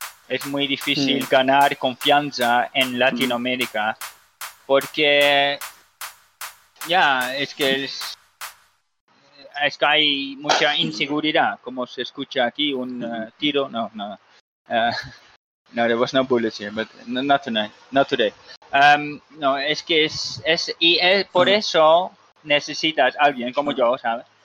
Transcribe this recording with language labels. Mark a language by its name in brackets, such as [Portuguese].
[Spanish] Es muy difícil ganar confianza en Latinoamérica, porque es que es que hay mucha inseguridad, como se escucha aquí un tiro. [English] No, there was no bullets here, but not tonight, not today. [Spanish] No, es que es y es por eso necesitas alguien como yo, ¿sabes?